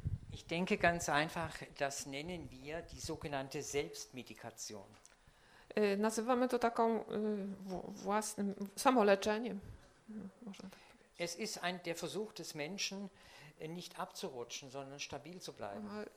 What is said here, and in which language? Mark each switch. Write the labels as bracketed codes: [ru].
[de] Ich denke ganz einfach, das nennen wir die sogenannte Selbstmedikation. [pl] Nazywamy to taką własnym samoleczeniem. Można tak powiedzieć. [de] Es ist ein der Versuch des Menschen, nicht abzurutschen, sondern stabil zu bleiben.